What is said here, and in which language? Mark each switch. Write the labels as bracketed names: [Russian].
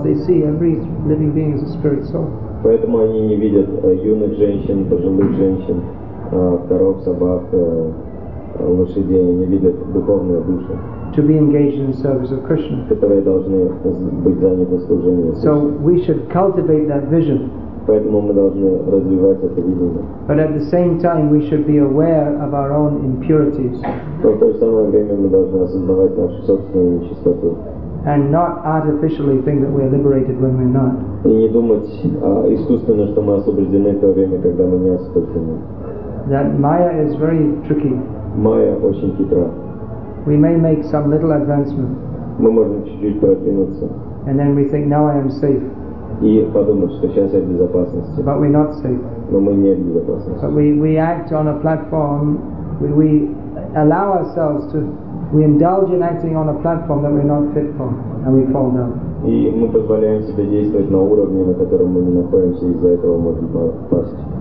[English] They see every living being as a spirit soul. [Russian] Поэтому они не видят юных женщин, пожилых женщин, коров, собак, лошадей, не видят духовные души. [English] To be engaged in the service of Krishna. [Russian] Которые должны быть заняты служением Кришне. [English] So we should cultivate that vision. [Russian] Поэтому мы должны развивать это видение. [English] But at the same time, we should be aware of our own impurities. [Russian] Но в то же самое время мы должны осознавать нашу собственную нечистоту. [English] And not artificially think that we are liberated when we're not. [Russian] И не думать искусственно, что мы освобождены в то время, когда мы не освобождены. [English] That Maya is very tricky. [Russian] Maya очень хитра. [English] We may make some little advancement. [Russian] Мы можем чуть-чуть продвинуться. [English] And then we think, now I am safe. [Russian] И подумать, что сейчас я в безопасности. [English] But we're not safe. [Russian] Но мы не в безопасности. [English] But we act on a platform. We allow ourselves to. We indulge in acting on a platform that we're not fit for, and we fall down. [Russian] И мы позволяем себе действовать на уровне, на котором мы не находимся, из-за этого можем пасть.